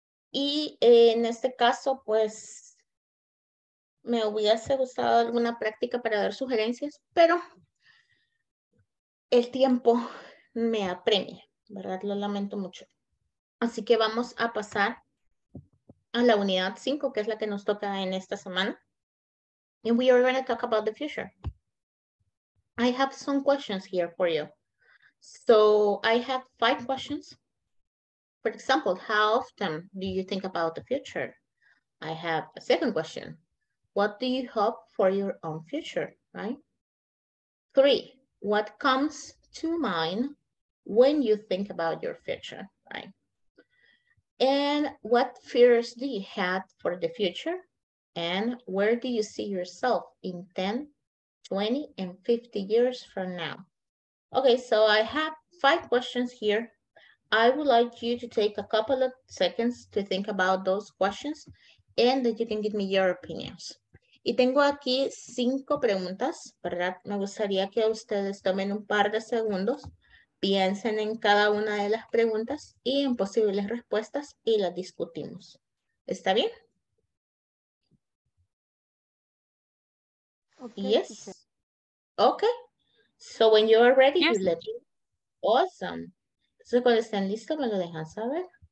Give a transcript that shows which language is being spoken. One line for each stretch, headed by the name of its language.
Spanish: Y en este caso, pues, me hubiese gustado alguna práctica para dar sugerencias, pero el tiempo me apremia, ¿verdad? Lo lamento mucho. Así que vamos a pasar a la unidad 5, que es la que nos toca en esta semana.
English: And we are going to talk about the future. I have some questions here for you. So I have 5 questions. For example, how often do you think about the future? I have a 2nd question. What do you hope for your own future, right? 3, what comes to mind when you think about your future, right? And what fears do you have for the future? And where do you see yourself in 10, 20, and 50 years from now? Okay, so I have 5 questions here. I would like you to take a couple of seconds to think about those questions and that you can give me your opinions.
Spanish: Y tengo aquí 5 preguntas, ¿verdad? Me gustaría que ustedes tomen un par de segundos. Piensen en cada una de las preguntas y en posibles respuestas y las discutimos. ¿Está bien?
English: Okay. Yes. Okay. So when you are ready, yes. You let me. Awesome.
Spanish: So cuando estén listos, me lo dejan saber.